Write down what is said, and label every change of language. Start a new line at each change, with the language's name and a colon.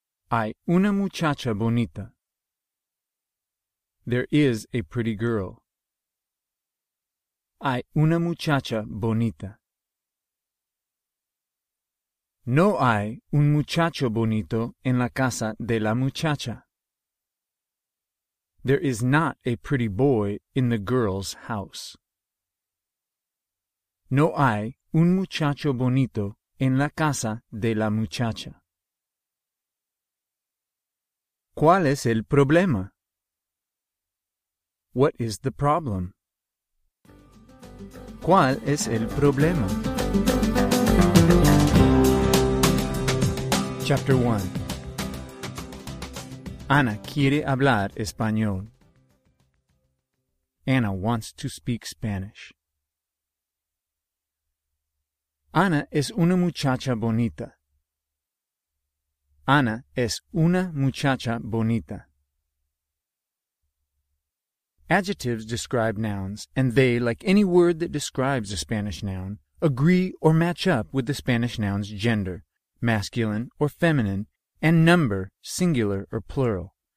Spanish: Hay una muchacha bonita.
English: There is a pretty girl.
Spanish: Hay una muchacha bonita. No hay un muchacho bonito en la casa de la muchacha.
English: There is not a pretty boy in the girl's house.
Spanish: No hay un muchacho bonito en la casa de la muchacha. ¿Cuál es el problema?
English: What is the problem?
Spanish: ¿Cuál es el problema?
English: Chapter 1.
Spanish: Ana quiere hablar español.
English: Ana wants to speak Spanish.
Spanish: Ana es una muchacha bonita. Ana es una muchacha bonita.
English: Adjectives describe nouns, and they, like any word that describes a Spanish noun, agree or match up with the Spanish noun's gender, masculine or feminine, and number, singular or plural.